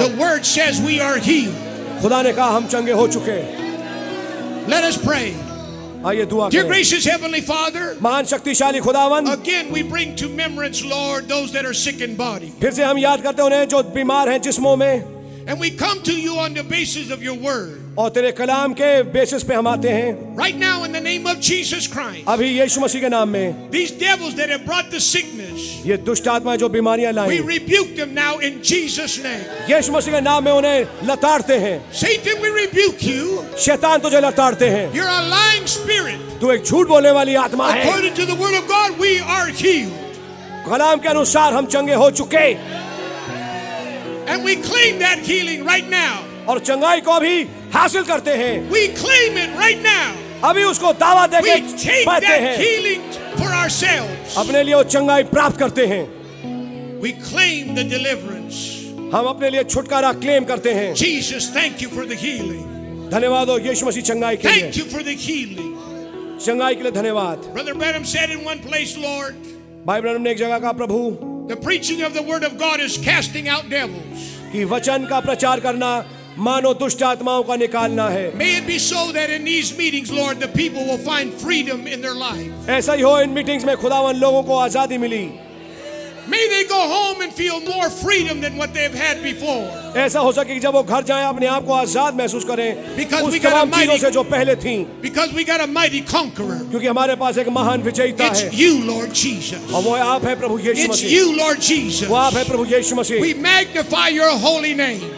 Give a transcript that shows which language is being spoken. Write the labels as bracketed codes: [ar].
[en] The word says we are healed. [hi] खुदा ने कहा हम चंगे हो चुके. [en] Let us pray. [hi] आइए दुआ करें. [en] Dear gracious heavenly Father. [hi] महान शक्तिशाली खुदावन. [en] Again we bring to remembrance, Lord, those that are sick in body. [hi] फिर से हम याद करते हैं उन्हें जो बीमार हैं जिस्मों में. [en] And we come to you on the basis of your word. [hi] और तेरे कलाम के बेसिस पे हम आते हैं. [en] Right now in the name of Jesus Christ. [hi] अभी यीशु मसीह के नाम में. [en] These devils that have brought the sickness. [hi] ये दुष्ट आत्माएं जो बीमारियां लाई. [en] We rebuke them now in Jesus name. [hi] यीशु मसीह के नाम में उन्हें लताड़ते हैं. [en] Satan, we rebuke you. [hi] शैतान तुझे लताड़ते हैं. [en] You're a lying spirit. [hi] तू एक झूठ बोलने वाली आत्मा है. [en] According to the word of God, we are healed. [hi] कलाम के अनुसार हम चंगे हो चुके. [en] And we claim that healing right now. [hi] और चंगाई को भी हासिल करते हैं. [en] We claim it right now. [hi] अभी उसको दावा देके पाते हैं. [en] Healing for ourselves. [hi] अपने लिए चंगाई प्राप्त करते हैं. [en] We claim the deliverance. [hi] हम अपने लिए छुटकारा क्लेम करते हैं. [en] Jesus, thank you for the healing. [hi] धन्यवाद हो यीशु मसीह चंगाई के लिए. [en] Thank you for the healing. [hi] चंगाई के लिए धन्यवाद. [en] Brother Branham said in one place, Lord. [hi] भाई ब्रैनम ने एक जगह कहा प्रभु. [en] The preaching of the word of God is casting out devils. [hi] कि वचन का प्रचार करना मानो दुष्ट आत्माओं का निकालना है. [en] May it be so that in these meetings, Lord, the people will find freedom in their life. [hi] ऐसा ही हो इन मीटिंग्स में खुदावन लोगों को आजादी मिली. [en] May they go home and feel more freedom than what they've had before. [hi] ऐसा हो सके कि जब वो घर जाएं अपने आप को आजाद महसूस करें. [en] Because [hi] उस तमाम चीजों से जो पहले थीं. [en] Because we got a mighty conqueror. [hi] क्योंकि हमारे पास एक महान विजेता है. [en] It's you, Lord Jesus. [hi] और वो आप हैं प्रभु यीशु मसीह. [en] It's you, Lord Jesus. [hi] वो आप हैं प्रभु यीशु मसीह. [en] We magnify your holy name.